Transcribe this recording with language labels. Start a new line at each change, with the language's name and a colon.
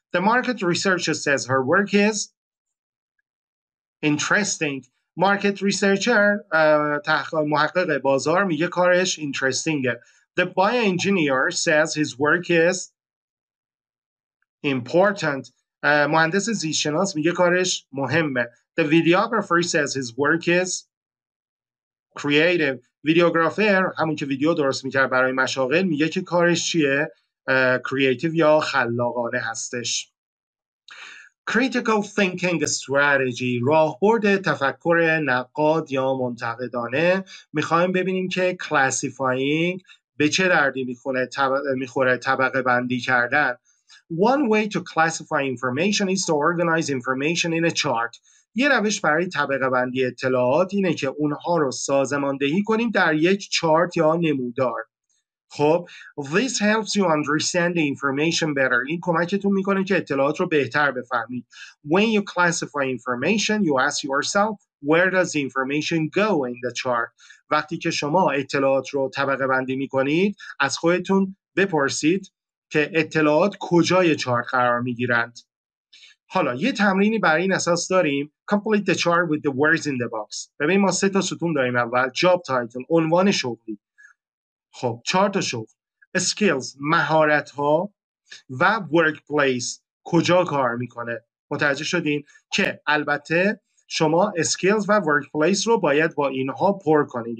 English: The market researcher says her work is interesting.
Persian: Market researcher محقق بازار میگه کارش interesting.
English: The bio engineer says his work is important.
Persian: مهندس زیست‌شناس میگه کارش مهمه.
English: The videographer says his work is creative.
Persian: Videographer همون که ویدیو درست میکرد برای مشاغل میگه که کارش چیه؟ Creative یا خلاقانه هستش.
English: Critical thinking strategy،
Persian: راهبرد تفکر نقاد یا منتقدانه، میخوایم ببینیم که classifying به چه دردی میخوره، طبقه بندی کردن.
English: One way to classify information is to organize information in a chart.
Persian: یه روش برای طبقه بندی اطلاعات اینه که اونها رو سازماندهی کنیم در یک چارت یا نمودار.
English: خب، this helps you understand the information better.
Persian: این کمکتون میکنه که اطلاعات رو بهتر بفهمید.
English: When you classify information, you ask yourself, where does the information go in the chart?
Persian: وقتی که شما اطلاعات رو طبقه بندی میکنید، از خودتون بپرسید که اطلاعات کجای چارت قرار میگیرند. حالا یه تمرینی برای این اساس داریم.
English: Complete the chart with the words in the box.
Persian: ببین ما سه تا ستون داریم اول. Job title، عنوان شغلی. خب چهار تا شغل. Skills، مهارت ها. و workplace، کجا کار میکنه. متوجه شدین که البته شما skills و workplace رو باید با اینها پر کنید.